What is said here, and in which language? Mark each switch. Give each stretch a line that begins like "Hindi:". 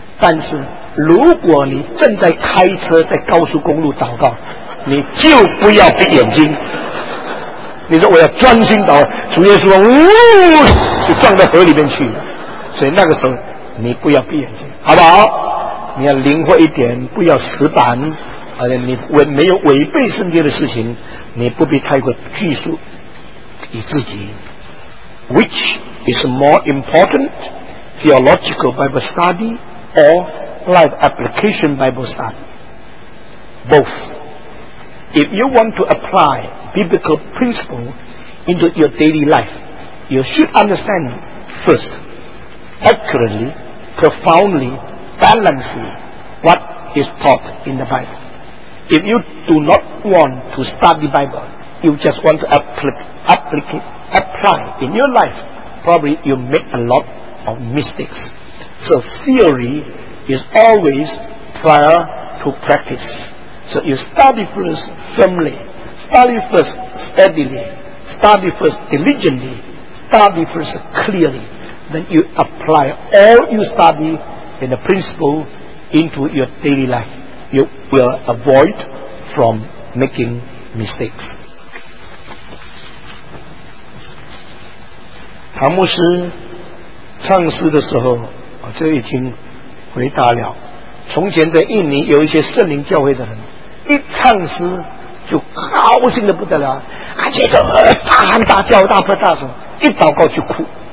Chinese: 但是如果你正在开车在高速公路祷告，你就不要闭眼睛，你说我要专心祷告，主耶稣就撞到河里面去了。所以那个时候你不要闭眼睛，好不好？你要灵活一点，不要死板，而且你没有违背圣经的事情你不必太过拘束你自己。
English: Which is more important, theological Bible study or life application Bible study? Both. If you want to apply biblical principle into your daily life, you should understand first, accurately, profoundly, balancedly, what is taught in the Bible. If you do not want to study the Bible, you just want to apply in your life, probably you make a lot of mistakes. So theory is always prior to practice. So you study first firmly, study first steadily, study first diligently, study first clearly. Then you apply all you study in the principle into your daily life. You will avoid from making mistakes.
Chinese: 唐牧师唱诗的时候，我就已经回答了。从前在印尼有一些圣灵教会的人，一唱诗就高兴得不得了，而且就大喊大叫、大拍大手，一祷告就哭。